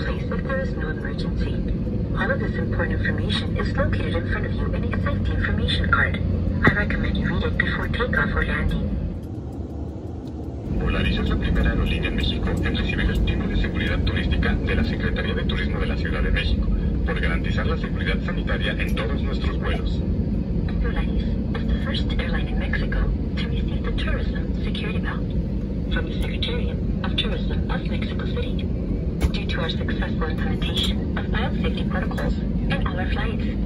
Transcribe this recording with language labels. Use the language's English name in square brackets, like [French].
[English] all of this important information is located in front of you in a safety information card. I recommend you read it before takeoff or landing. [Spanish] Volaris es la primera aerolínea en México en recibir el título de seguridad turística de la Secretaría de Turismo de la Ciudad de México por garantizar la seguridad sanitaria en todos nuestros vuelos. [English] Volaris is the first airline in Mexico to receive the tourism security belt from the Secretary of Tourism of Mexico City. Due to our successful implementation of biosafety protocols in all our flights.